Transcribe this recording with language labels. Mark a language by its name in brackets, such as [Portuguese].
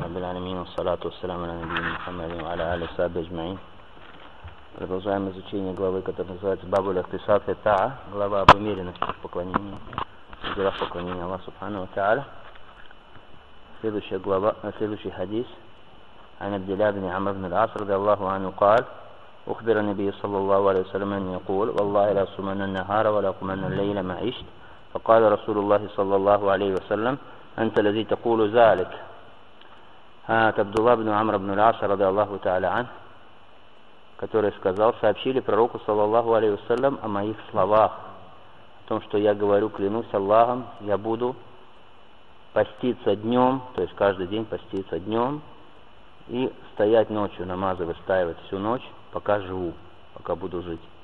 [Arabic] العالمين والصلاة والسلام على نبينا محمد وعلى آله وصحبه أجمعين. [Russian] Продолжаем изучение главы, которая называется «Бабу ль-Ихтисад и Та'а», глава об умеренности в поклонении, в делах поклонения [Arabic] Аллаху Субхану ва Та'аля. [Russian] Следующая глава, следующий хадис. [Arabic] «Ан Абдилля бин Амр бин аль-Ас ради Аллаху анху قال: أخبر النبي صلى الله عليه وسلم أن يقول: والله لا أصومن النهار ولا أقومن الليل ما عشت. فقال رسول الله صلى الله عليه وسلم: أنت الذي تقول ذلك. هات عبد الله بن عمرو بن العاص رضي الله تعالى عنه، [Russian] который сказал: сообщили пророку [Arabic] صلى الله عليه وسلم [Russian] о моих словах, о том, что я говорю, клянусь Аллахом, я буду поститься днем, то есть каждый день поститься днем и стоять ночью, намазы выстаивать всю ночь, пока живу, пока буду жить.